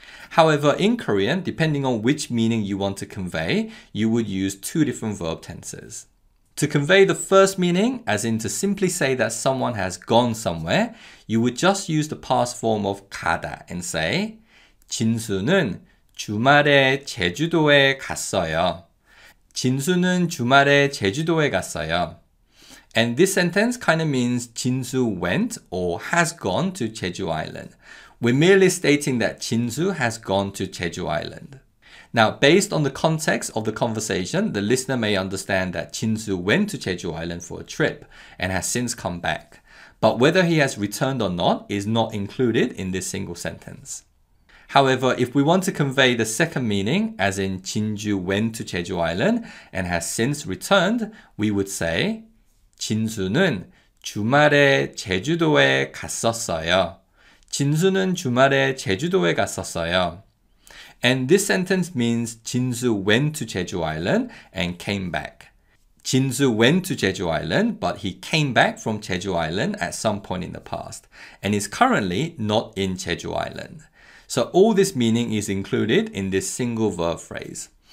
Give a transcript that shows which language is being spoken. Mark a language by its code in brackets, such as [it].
[en] However, in Korean, depending on which meaning you want to convey, you would use two different verb tenses. To convey the first meaning, as in to simply say that someone has gone somewhere, you would just use the past form of 가다 and say [ko] 진수는 주말에 제주도에 갔어요. 진수는 주말에 제주도에 갔어요. [en] And this sentence kind of means 진수 went or has gone to Jeju Island. We're merely stating that 진수 has gone to Jeju Island. Now, based on the context of the conversation, the listener may understand that 진수 went to Jeju Island for a trip and has since come back. But whether he has returned or not is not included in this single sentence. However, if we want to convey the second meaning, as in 진수 went to Jeju Island and has since returned, we would say [ko] 진수는 주말에 제주도에 갔었어요. 진수는 주말에 제주도에 갔었어요. [en] And this sentence means 진수 went to Jeju Island and came back. 진수 went to Jeju Island, but he came back from Jeju Island at some point in the past and is currently not in Jeju Island. So all this meaning is included in this single verb phrase.